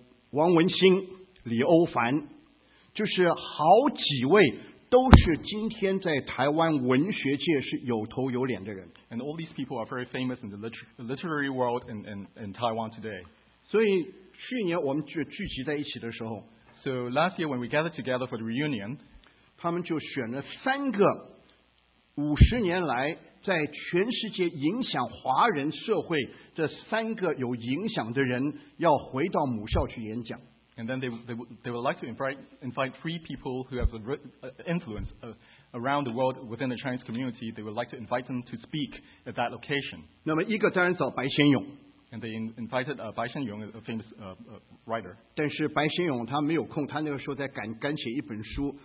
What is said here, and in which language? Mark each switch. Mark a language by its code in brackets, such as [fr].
[zh] 王文兴、李欧凡，就是好几位都是今天在台湾文学界是有头有脸的人。 [en] And all these people are very famous in the literary world in Taiwan today. [zh] 所以去年我们聚集在一起的时候 [en] ，So last year when we gathered together for the reunion. [zh] 他们就选了三个五十年来在全世界影响华人社会这三个有影响的人要回到母校去演讲。 [en] And then they would like to invite three people who have influence around the world within the Chinese community. They would like to invite them to speak at that location. [zh] 那么一个当然找白先勇。 [en] And they invited 白先勇 a famous writer. [zh] 但是白先勇他没有空，他那个时候在赶写一本书。